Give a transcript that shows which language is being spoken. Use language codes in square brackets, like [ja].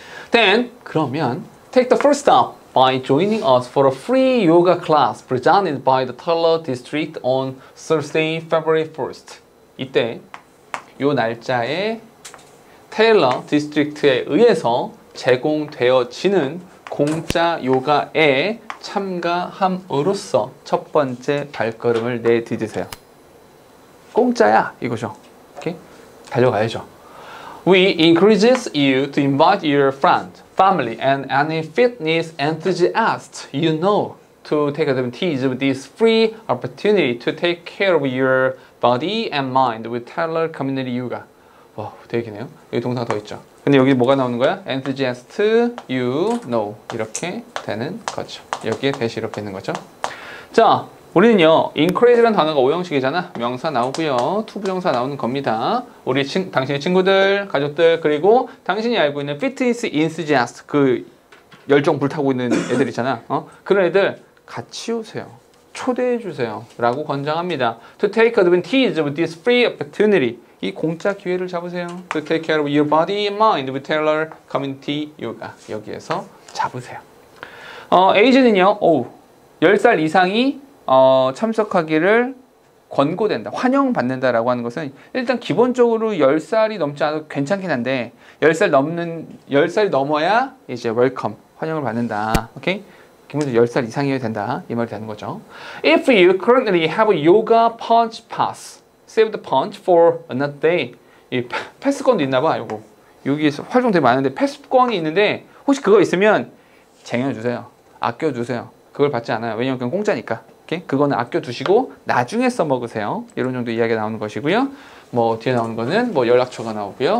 [en] Then [ko] 그러면 [en] take the first step by joining us for a free yoga class presented by the Tala District on Thursday, February 1st. [ko] 이때 요 날짜에 테일러 디스트릭트에 의해서 제공되어지는 공짜 요가에 참가함으로써 첫 번째 발걸음을 내디디세요. 공짜야 이거죠. 오케이? 달려가야죠. [en] We encourage you to invite your friend, family, and any fitness enthusiast you know to take advantage of this free opportunity to take care of your body and mind with Taylor Community Yoga. [ko] 와, 되게 기네요. 여기 동사 더 있죠. 근데 여기 뭐가 나오는 거야? [en] Enthusiast you know [ko] 이렇게 되는 거죠. 여기에 대시 이렇게 있는 거죠. 자, 우리는요, increase라는 단어가 5형식이잖아. 명사 나오고요. 투부정사 나오는 겁니다. 우리 당신의 친구들, 가족들, 그리고 당신이 알고 있는 [en] fitness enthusiast, [ko] 그 열정 불타고 있는 애들 있잖아. 그런 애들 같이 오세요. 초대해 주세요. 라고 권장합니다. [en] To take advantage of this free opportunity. [ko] 이 공짜 기회를 잡으세요. [en] To take care of your body and mind with Taylor Community Yoga. [ko] 여기에서 잡으세요. 에이지는요, 10살 이상이 참석하기를 권고된다, 환영받는다라고 하는 것은 일단 기본적으로 10살이 넘지 않아도 괜찮긴 한데 10살이 넘어야 이제 웰컴, 환영을 받는다. 오케이? 기본적으로 10살 이상이어야 된다. 이 말이 되는 거죠. [en] If you currently have a yoga punch pass, save the punch for another day. [ko] 이 패스권도 있나 봐, 이거. 여기에서 활동 되게 많은데 패스권이 있는데 혹시 그거 있으면 쟁여주세요. 아껴주세요. 그걸 받지 않아요. 왜냐면 그건 공짜니까. 그거는 아껴두시고 나중에 써먹으세요. 이런 정도 이야기가 나오는 것이고요. 뭐 뒤에 나오는 거는 뭐 연락처가 나오고요.